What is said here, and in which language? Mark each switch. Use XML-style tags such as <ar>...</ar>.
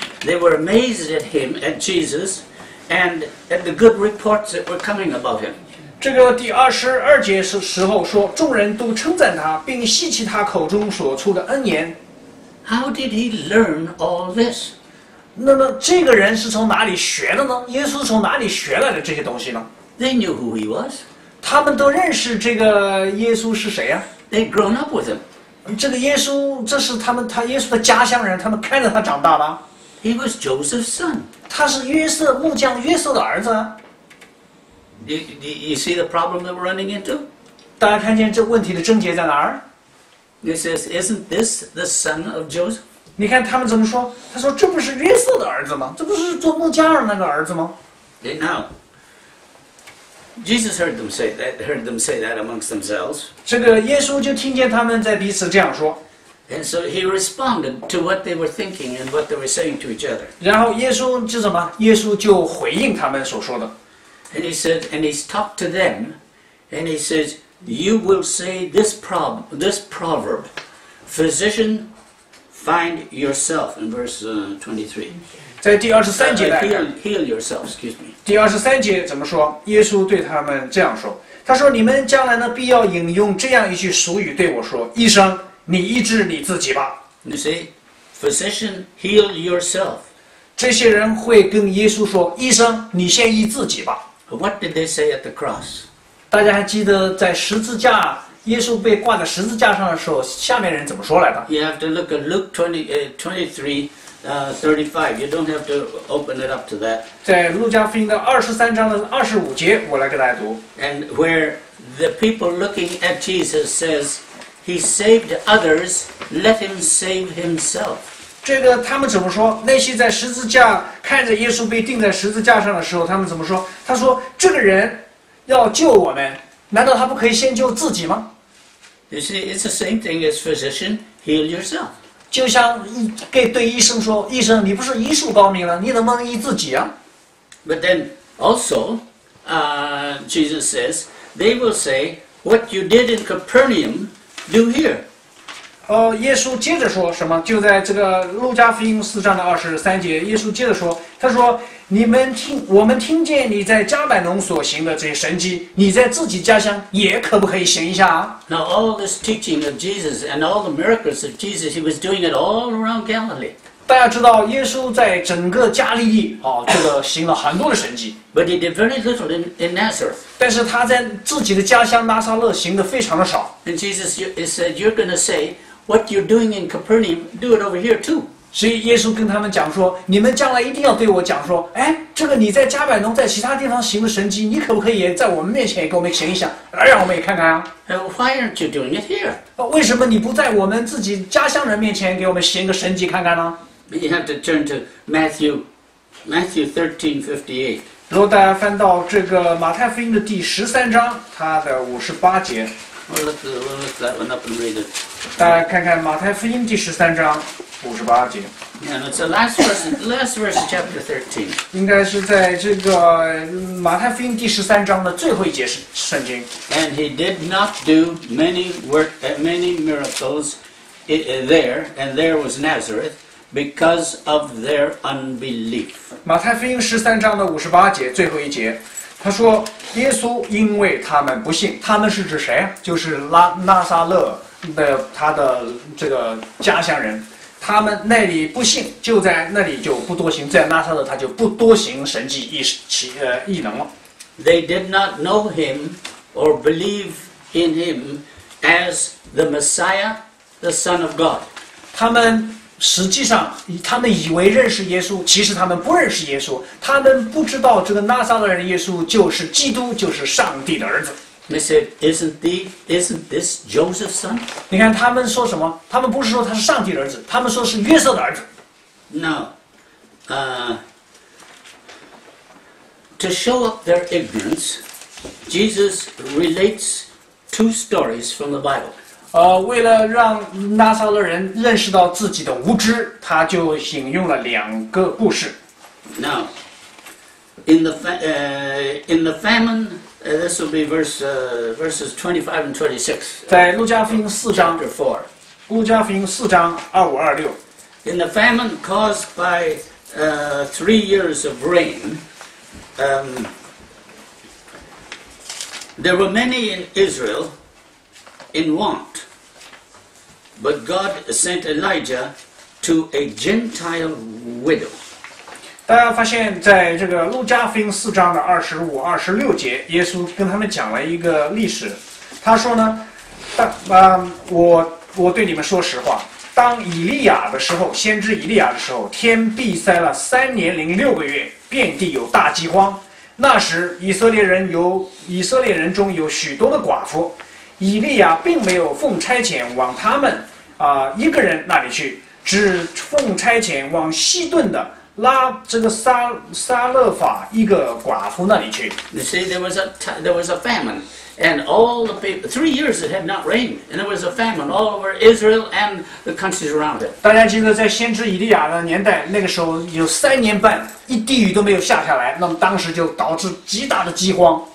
<en>They were amazed at him, at Jesus, and at the good reports that were coming about him.</en> <zh>这个第二十二节时候说，众人都称赞他，并稀奇他口中所出的恩言。</zh> <en>How did he learn all this?</en> <zh>那么这个人是从哪里学的呢？耶稣从哪里学来的这些东西呢？</zh> <en>They knew who he was.</en> <zh>他们都认识这个耶稣是谁啊？</zh> <en>They'd grown up with him.</en> <zh>这个耶稣，这是他耶稣的家乡人，他们看着他长大的。</zh> <en>He was Joseph's son.</en> <zh>他是约瑟木匠约瑟的儿子。</zh> <en>You see the problem that we're running into?</en> <zh>大家看见这问题的症结在哪儿？</zh> <en>He says, "Isn't this the son of Joseph?"</en> <zh>你看他们怎么说？他说：“这不是约瑟的儿子吗？这不是做木匠人那个儿子吗？”</zh> <en>Okay, now. Jesus heard them say that amongst themselves.</en> <zh>这个耶稣就听见他们在彼此这样说。</zh> <en>And so he responded to what they were thinking and what they were saying to each other.</en> <zh>然后耶稣就怎么？耶稣就回应他们所说的。</zh> <en>And he said, and he talked to them, and he says, "You will say this proverb, 'Physician, find yourself,' in verse 23.</en> <zh>在第23节来看。</zh> <en>Heal yourself, excuse me.</en> <zh>第二十三节怎么说？耶稣对他们这样说：“他说，你们将来呢，必要引用这样一句俗语对我说：‘医生，你医治你自己吧。’”</zh> <en>You see, physician, heal yourself.</en> <zh>这些人会跟耶稣说：“医生，你先医自己吧。”</zh> <en>What did they say at the cross?</en> <zh>大家还记得在十字架，耶稣被挂在十字架上的时候，下面人怎么说来的</zh> <en>？You have to look at Luke 23:35. You don't have to open it up to that.</en> <zh>在路加福音的二十三章的二十五节，我来给大家读。</zh> <en>And where the people looking at Jesus says, "He saved others. Let him save himself."</en> <zh>这个他们怎么说？那些在十字架看着耶稣被钉在十字架上的时候，他们怎么说？他说：“这个人要救我们，难道他不可以先救自己吗？”</zh> <en>You see, it's the same thing as physician, heal yourself.</en> <zh>就像给对医生说，医生，你不是医术高明了，你能不能医自己啊？</zh> <en>But then also, Jesus says, they will say, "What you did in Capernaum, do here."</en> <zh>耶稣接着说什么？就在这个路加福音四章的二十三节，耶稣接着说，他说：“我们听见你在加百农所行的这些神迹，你在自己家乡也可不可以行一下啊？”</zh> <en>Now all this teaching of Jesus and all the miracles of Jesus, he was doing it all around Galilee.</en> <zh>大家知道，耶稣在整个加利利这个行了很多的神迹。</zh> <en>But he did very little in Nazareth.</en> <zh>但是他在自己的家乡拿撒勒行的非常的少。</zh> <en>And Jesus said, "You're going to say what you're doing in Capernaum, do it over here too."</en> <zh>所以耶稣跟他们讲说，你们将来一定要对我讲说，哎，这个你在加百农在其他地方行的神迹，你可不可以在我们面前也给我们行一行，来让我们也看看啊。</zh> <en>Why aren't you doing it here?</en> <zh>为什么你不在我们自己家乡人面前给我们行个神迹看看呢？</zh> <en>You have to turn to Matthew 13:58.</en> <zh>如果大家翻到这个马太福音的第十三章，它的五十八节。</zh> <en>We'll look that one up and read it.</en> <zh>大家看看马太福音第十三章。五十八节。</zh> <en>And it's the last verse, chapter 13.</en> <zh>应该是在这个马太福音第十三章的最后一节圣经。</zh> <en>And he did not do many miracles there, and there was Nazareth, because of their unbelief.</en> <zh>马太福音十三章的五十八节最后一节，他说：“耶稣因为他们不信，他们是指谁？就是拉撒勒的他的这个家乡人。” 他们那里不信，就在那里就不多行，在拿撒勒他就不多行神迹异能了。</zh> <en>They did not know him or believe in him as the Messiah, the Son of God.</en> <zh>他们实际上，他们以为认识耶稣，其实他们不认识耶稣，他们不知道这个拿撒勒人耶稣就是基督，就是上帝的儿子。</zh> <en>They said, isn't this Joseph's son?</en> <zh>你看他们说什么？他们不是说他是上帝的儿子，他们说是约瑟的儿子。</zh> <en>No, to show up their ignorance, Jesus relates two stories from the Bible.</en> <zh>为了让拿撒勒人认识到自己的无知，他就引用了两个故事。</zh> <en>Now, in the famine. This will be verses 25 and 26.</en> <zh>在路加福音四章。</zh> <en>Chapter 4.</en> <zh>路加福音四章二五二六。</zh> <en>In the famine caused by three years of rain, there were many in Israel in want, but God sent Elijah to a Gentile widow.</en> <zh>大家发现在这个路加福音四章的二十五二十六节耶稣跟他们讲了一个历史他说呢我对你们说实话当以利亚的时候先知以利亚的时候天闭塞了三年零六个月遍地有大饥荒那时以色列人中有许多的寡妇以利亚并没有奉差遣往他们一个人那里去只奉差遣往西顿的这个撒勒法一个寡妇那里去。</zh> <en>You see, there was a famine, and all the people, 3 years it had not rained, and there was a famine all over Israel and the countries around it.</en> <zh>大家记得在先知以利亚的年代，那个时候有三年半，一滴雨都没有下下来，那么当时就导致极大的饥荒。</zh>